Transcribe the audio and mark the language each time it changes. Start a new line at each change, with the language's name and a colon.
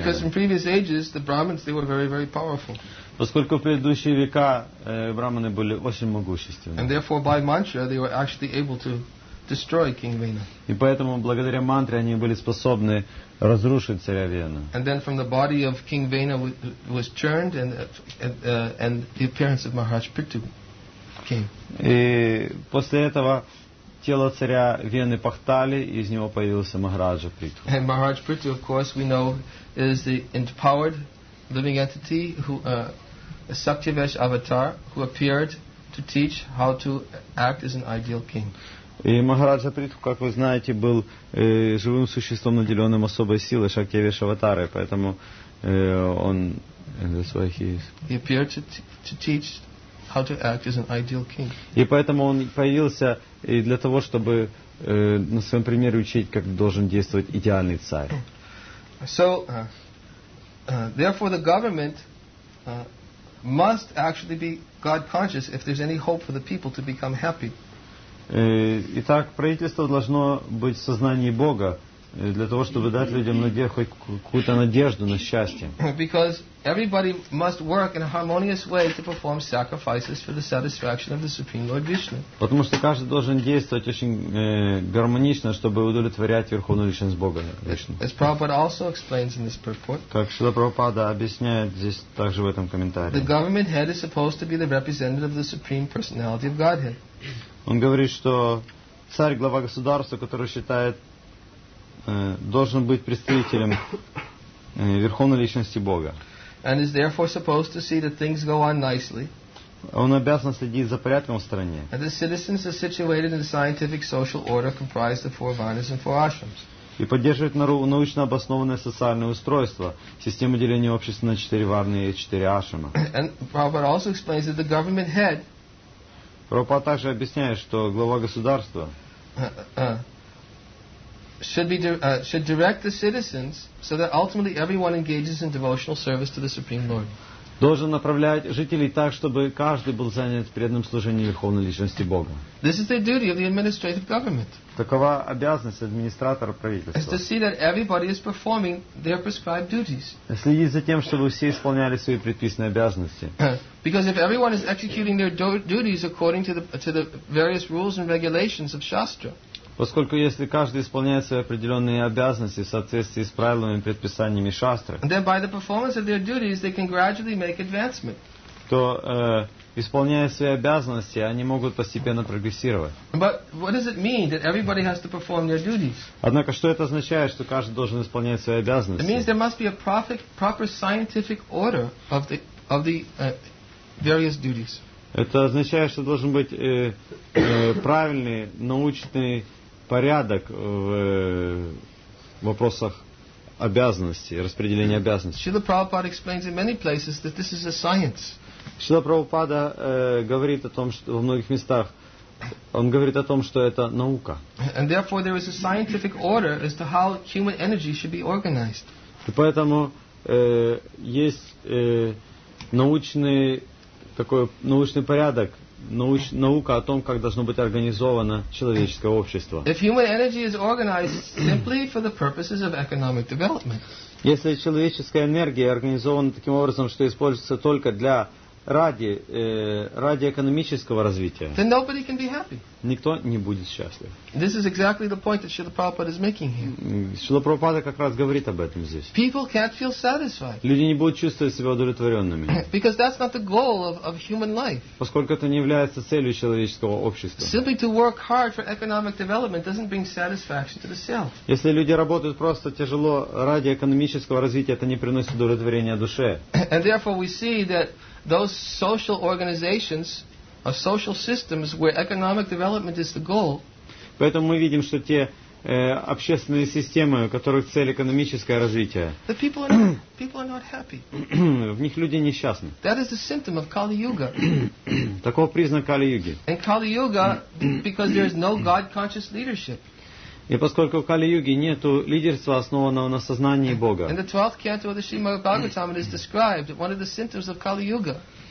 English: Because in previous ages the Brahmins they were very very powerful.
Russian: Поскольку в предыдущие века брахманы были очень могущественны.
English: And therefore by mantra they were actually able to destroy King Vena.
Russian: И поэтому благодаря мантре они были способны разрушить царя Вену.
English: And then from the body of King Vena was churned and the appearance of Maharaj Prithu came.
Russian: И после этого тело царя Вены пахтали, и из него появился Махараджа Притху.
English: And Maharaj Prithu, of course, we know, is the empowered living entity who Saktyavesh avatar who appeared to teach how to act as an ideal king.
Russian: И Махараджа Притху, как вы знаете, был живым существом, наделенным особой силой Шактивеш аватары, поэтому он
English: that's why he is. He appeared to teach how to act as an ideal king.
Russian: И поэтому он появился и для того, чтобы на своем примере учить, как должен действовать идеальный царь.
English: So, therefore, the government must actually be God-conscious if there's any hope for the people to become happy.
Russian: Итак, правительство должно быть в сознании Бога для того, чтобы дать людям надежду, хоть какую-то надежду на счастье.
English: Because everybody must work in a harmonious way to perform sacrifices for the satisfaction of the Supreme Lord Vishnu.
Russian: Потому что каждый должен действовать очень гармонично, чтобы удовлетворять Верховную Личность Бога Вишну.
English: As Prabhupada also explains in this purport.
Russian: Как Шрила Прабхупада объясняет здесь также в этом комментарии.
English: The government head is supposed to be the representative of the Supreme Personality of Godhead.
Russian: Он говорит, что царь, глава государства, который считает, должен быть представителем Верховной Личности Бога.
English: And is therefore supposed to see that things go on nicely.
Russian: Он обязан следить за порядком в стране.
English: And the citizens are situated in a scientific social order comprised of four varnas and four ashrams.
Russian: И поддерживает научно обоснованное социальное устройство, систему деления общества на четыре варны и четыре ашрама.
English: And Prabhupada also explains that the government head
Russian: Прабхупада также объясняет, что глава государства
English: should direct the citizens so that ultimately everyone engages in devotional service to the Supreme Lord.
Russian: Должен направлять жителей так, чтобы каждый был занят преданным служением Верховной Личности Бога.
English: This is the duty of the administrative government.
Russian: Такова обязанность администратора правительства.
English: Is to see that everybody is performing their prescribed duties.
Russian: Следить за тем, чтобы все исполняли свои предписанные обязанности.
English: Because if everyone is executing their duties according to the various rules and regulations of Shastra.
Russian: Поскольку если каждый исполняет свои определенные обязанности в соответствии с правилами и предписаниями шастры,
English: then by the performance of their duties, they can gradually make advancement.
Russian: То, исполняя свои обязанности, они могут постепенно прогрессировать.
English: But what does it mean that everybody has to perform their duties?
Russian: Однако, что это означает, что каждый должен исполнять свои обязанности?
English: It means there must be a proper scientific order of the various duties.
Russian: Это означает, что должен быть правильный, научный порядок в вопросах обязанностей, распределения обязанностей.
English: Шрила Прабхупада explains in many places that this is a science.
Russian: Шрила Прабхупада говорит о том, что во многих местах он говорит о том, что это наука.
English: And therefore there is a scientific order as to how human energy should be organized.
Russian: И поэтому есть научный порядок. Наука о том, как должно быть организовано человеческое общество.
English: If human energy is organized simply for the purposes of economic development.
Russian: Если человеческая энергия организована таким образом, что используется только для ради экономического развития.
English: Then nobody can be happy.
Russian: Никто не будет счастлив.
English: This is exactly the point that Srila Prabhupada is making here.
Russian: Srila Prabhupada как раз говорит об этом здесь.
English: People can't feel satisfied.
Russian: Люди не будут чувствовать себя удовлетворенными.
English: Because that's not the goal of human life.
Russian: Поскольку это не является целью человеческого общества.
English: Simply to work hard for economic development doesn't bring satisfaction to the self.
Russian: Если люди работают просто тяжело ради экономического развития, это не приносит удовлетворения душе.
English: And therefore we see that those social organizations are social systems where economic development is the goal.
Russian: Поэтому мы видим, что те общественные системы, у которых цель экономическое развитие. В них люди несчастны.
English: That is a symptom of Kali Yuga.
Russian: Таков признак Кали-юги.
English: And Kali Yuga, because there is no God-conscious leadership.
Russian: И поскольку в Кали-юге нет лидерства, основанного на сознании Бога.
English: In the 12th canto of the Srimad Bhagavatam, it is described one of the symptoms of Kali Yuga.